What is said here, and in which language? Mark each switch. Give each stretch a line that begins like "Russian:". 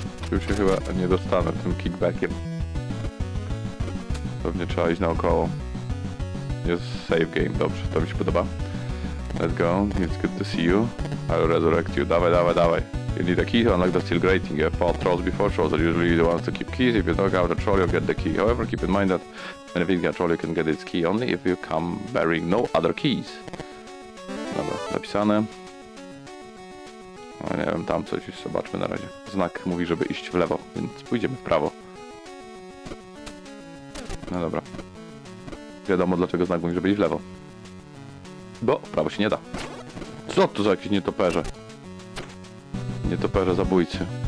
Polish: Tu się chyba nie dostanę tym kickbackiem. Pewnie trzeba iść naokoło. Jest save game, dobrze, to mi się podoba.
English: Let's go, it's good to see you. I'll resurrect you.
Polish: Dawaj.
English: You need a key to unlock the steel grating. You have fought trolls before. Trolls are usually the ones to keep keys. If you knock out a troll, you'll get the key. However, keep in mind that anything a troll you can get its key only if you come bearing no other keys.
Polish: Dobra, napisane. No, nie wiem, tam coś zobaczmy na razie. Znak mówi, żeby iść w lewo, więc pójdziemy w prawo. No dobra. Wiadomo, dlaczego znak mówi, żeby iść w lewo. Bo w prawo się nie da. Co to za jakieś nietoperze? Nietoperze zabójcy.